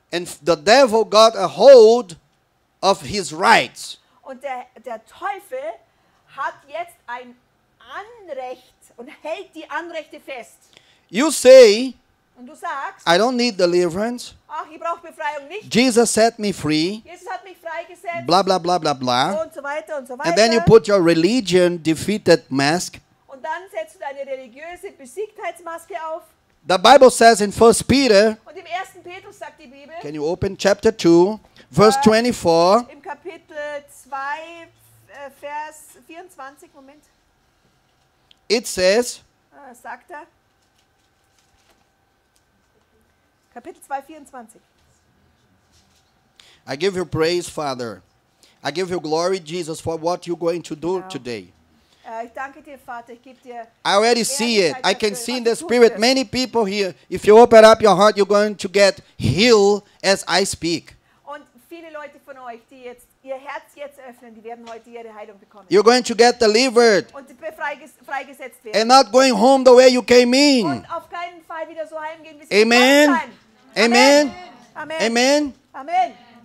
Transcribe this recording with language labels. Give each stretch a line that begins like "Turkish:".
English: And the devil got a hold of his rights.
German: Und der Teufel hat jetzt ein Anrecht und hält die Anrechte fest.
English: You say,
German: und du sagst,
English: I don't need deliverance.
German: Ach, ich brauche Befreiung nicht.
English: Jesus set me free.
German: Jesus hat mich freigesetzt.
English: Blah, blah, blah, blah, blah.
German: Und so weiter und so weiter.
English: And then you put your religion defeated mask.
German: Und dann setzt du deine religiöse Besiegtheitsmaske auf.
English: The Bible says in 1 Peter,
German: und im 1. Petrus sagt die Bibel,
English: can you open chapter 2, verse 24.
German: Im Kapitel 2, Vers 24, Moment.
English: It says,
German: sagt er, Kapitel 2, 24.
English: I give you praise, Father. I give you glory, Jesus, for what you're going to do today.
German: Ich danke dir, Vater. Ich gebe dir
English: I already see it. I can see in the spirit many people here. If you open up your heart, you're going to get healed as I speak.
German: Und viele Leute von euch, die jetzt ihr Herz jetzt öffnen, die werden heute ihre Heilung bekommen.
English: You're going to get delivered.
German: Und freigesetzt werden.
English: And not going home the way you came in.
German: Und auf keinen Fall wieder so heimgehen, wie sie gekommen sind. Amen. Amen. Amen. Amen.